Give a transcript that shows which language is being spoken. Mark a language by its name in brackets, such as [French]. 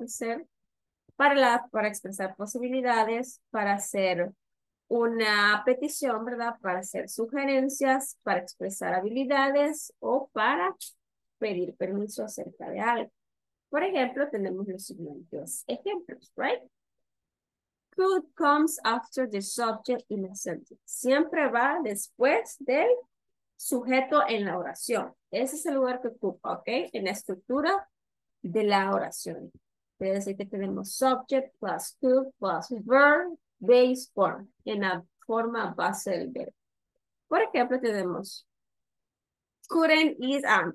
[Spanish] Ofrecer para expresar posibilidades, para hacer una petición, ¿verdad? Para hacer sugerencias, para expresar habilidades o para pedir permiso acerca de algo. Por ejemplo, tenemos los siguientes ejemplos, ¿right? [English] Could comes after the subject in a sentence. [Spanish] Siempre va después del sujeto en la oración. Ese es el lugar que ocupa, ¿ok? En la estructura de la oración. Quiere decir que tenemos [English] subject plus to plus verb base form. [Spanish] En la forma base del verbo. Por ejemplo, tenemos [English] couldn't, is, and.